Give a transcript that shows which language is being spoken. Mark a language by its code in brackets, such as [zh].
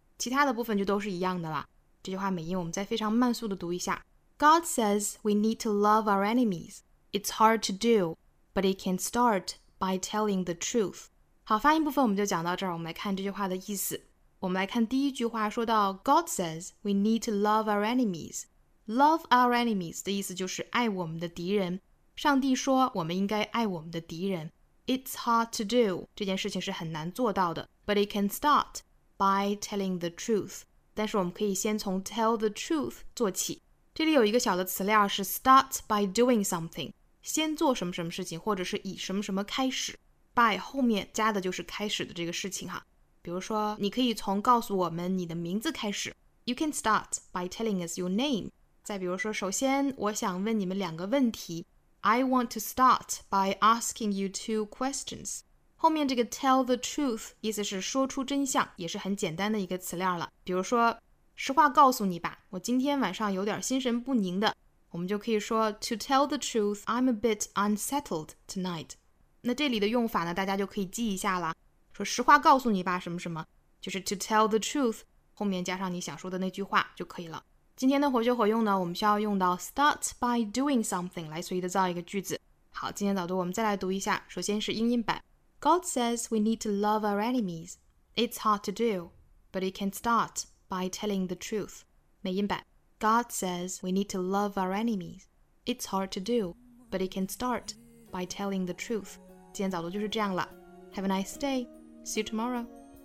[zh] 其他的部分就都是一样的啦。这句话美音我们再非常慢速的读一下。 [en] God says we need to love our enemies. It's hard to do, but it can start by telling the truth. [zh] 好，发音部分我们就讲到这儿，我们来看这句话的意思。我们来看第一句话说到 [en] God says we need to love our enemies. Love our enemies [zh] 的意思就是爱我们的敌人。上帝说我们应该爱我们的敌人。 [en] It's hard to do. [zh] 这件事情是很难做到的。 [en] But it can start by telling the truth. [zh] 但是我们可以先从 [en] tell the truth [zh] 做起。这里有一个小的词料是 [en] start by doing something. [zh] 先做什么什么事情或者是以什么什么开始。by 后面加的就是开始的这个事情哈。比如说你可以从告诉我们你的名字开始。 [en] You can start by telling us your name. [zh] 再比如说首先我想问你们两个问题。 [en] I want to start by asking you two questions. [zh] 后面这个 [en] tell the truth [zh] 意思是说出真相，也是很简单的一个词链了。比如说实话告诉你吧，我今天晚上有点心神不宁的。我们就可以说 [en] To tell the truth, I'm a bit unsettled tonight. [zh] 那这里的用法呢，大家就可以记一下了。说实话告诉你吧，什么什么，就是 [en] to tell the truth, [zh] 后面加上你想说的那句话就可以了。今天的活学活用呢，我们需要用到 [en] start by doing something [zh] 来随意的造一个句子。好，今天早读我们再来读一下，首先是英音版。 [en] God says we need to love our enemies. It's hard to do, but it can start by telling the truth. [zh] 美音版。 [en] God says we need to love our enemies. It's hard to do, but it can start by telling the truth. [zh] 今天早读就是这样了。 [en] Have a nice day. See you tomorrow.